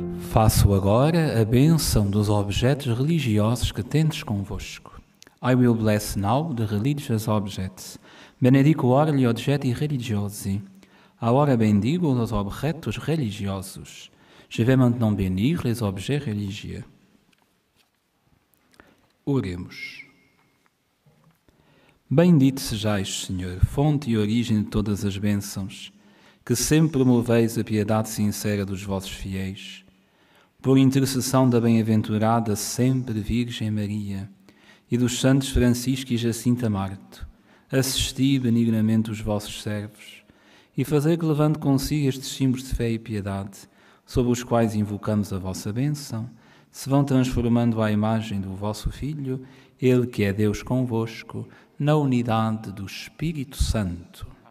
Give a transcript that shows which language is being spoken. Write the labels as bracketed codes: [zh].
[pt] Faço agora a bênção dos objetos religiosos que tendes convosco. [en] I will bless now the religious objects. [it] Benedico ora gli oggetti religiosi. [pt] Ora bendigo os objetos religiosos. [fr] Je vais maintenant bénir les objets religieux. [pt] Oremos. Bendito sejais, Senhor, fonte e origem de todas as bênçãos, que sempre moveis a piedade sincera dos vossos fiéis. Por intercessão da bem-aventurada sempre Virgem Maria e dos santos Francisco e Jacinta Marto, assisti benignamente os vossos servos e fazei que levando consigo estes símbolos de fé e piedade, sobre os quais invocamos a vossa bênção, se vão transformando à imagem do vosso Filho, Ele que é Deus convosco, na unidade do Espírito Santo.